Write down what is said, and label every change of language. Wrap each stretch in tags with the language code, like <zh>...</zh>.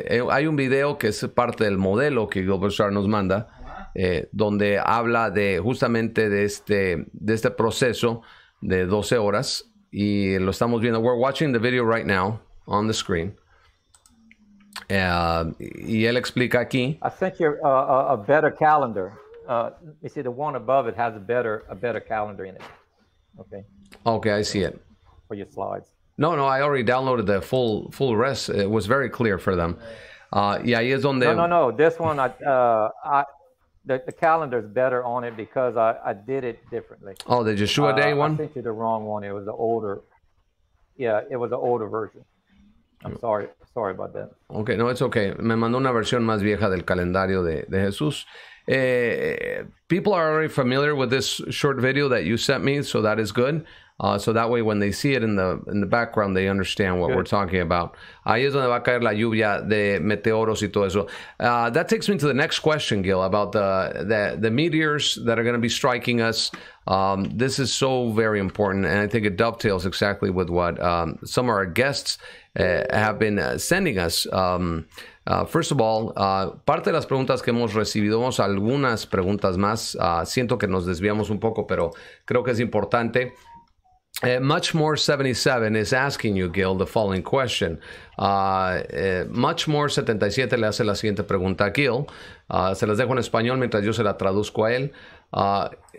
<es>Hay un video que es parte del modelo que Gilbert Shard nos manda, donde habla de justamente de este proceso de 12 horas. Y lo estamos viendo.</es> <en>We're watching the video right now on the screen.</en> <es>Y él explica aquí.</es> <en>I sent you a better calendar. You see, the one above it has a better calendar in it. Okay, I see it. For your slides. No, I already downloaded the full rest. It was very clear for them.</en> <es>Y ahí es donde...</es> <en>No. This one, the calendar is better on it because I did it differently. Oh, the Yeshua Day one? I sent you the wrong one. It was the older. Yeah, it was the older version. I'm sorry. Sorry about that. Okay, no, it's okay.</en> <es>Me mandó una versión más vieja del calendario de Jesús.</es> <en>People are already familiar with this short video that you sent me, so that is good. So that way, when they see it in the background, they understand what good. We're talking about.</en> <es>Ahí es donde va a caer la lluvia de meteoros y todo eso.</es> <en>That takes me to the next question, Gil, about the meteors that are going to be striking us. This is so very important, and I think it dovetails exactly with what some of our guests have been sending us. First of all,</en> <es>parte de las preguntas que hemos recibido, vamos a algunas preguntas más. Siento que nos desviamos un poco, pero creo que es importante.</es> <en>Much More 77 is asking you, Gil, the following question.</en> <es>Much More 77 le hace la siguiente pregunta a Gil. Se las dejo en español mientras yo se la traduzco a él.</es>